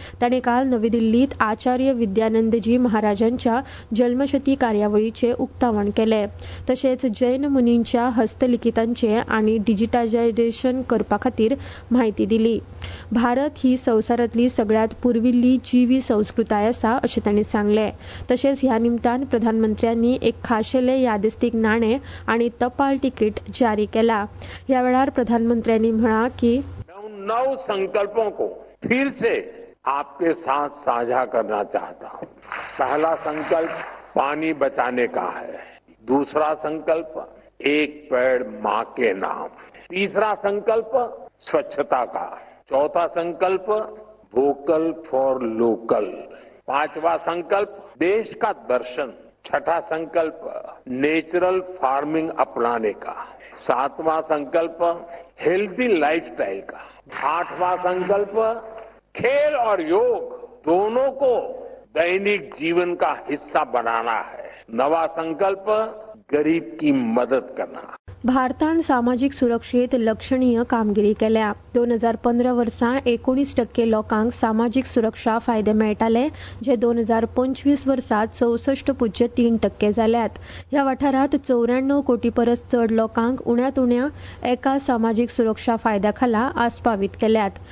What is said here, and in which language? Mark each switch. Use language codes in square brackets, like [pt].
[gom] ताणें काल नवी दिल्लीत आचार्य विद्यानंदजी महाराजांच्या जल्मशती कार्यावळीचे उक्तावण केले. तशेंच जैन मुनींच्या हस्तलिखितांचे आनी डिजिटायझेशन करपा खातीर म्हायती दिली. भारत ही संवसारांतली सगळ्यांत पुर्विल्ली जिवी संस्कृताय आसा, अशें ताणें सांगले. तशेंच ह्या निमतान प्रधानमंत्र्यांनी एक खाशेले यादस्तीक नाणे आणि टपाल तिकीट जारी केला. या वेळार प्रधानमंत्र्यांनी म्हणा की [hi] नव संकल्पो को फिर से आपके साथ साझा करना चाहता हूं. पहला संकल्प पानी बचाने का है. दूसरा संकल्प एक पेड़ मां के नाम. तीसरा संकल्प स्वच्छता का. चौथा संकल्प वोकल फॉर लोकल. पांचवा संकल्प देश का दर्शन. छठा संकल्प नेचुरल फार्मिंग अपनाने का. सातवां संकल्प हेल्दी लाइफस्टाइल का. आठवां संकल्प खेल और योग दोनों को दैनिक जीवन का हिस्सा बनाना है. नवा संकल्प गरीब की मदद करना. [gom] भारतान सामाजिक सुरक्षेत लक्षणीय कामगिरी केल्या. 2015 वर्सा 19% लोकांक सामाजिक सुरक्षा फायदे मेळटाले, जे 2025 वर्सा 64.3% जाल्यात. ह्या वाठारात 94 कोटी परस चड लोकांक उण्यात उण्या एका सामाजिक सुरक्षा फायद्याखाला आस्पावीत केल्यात.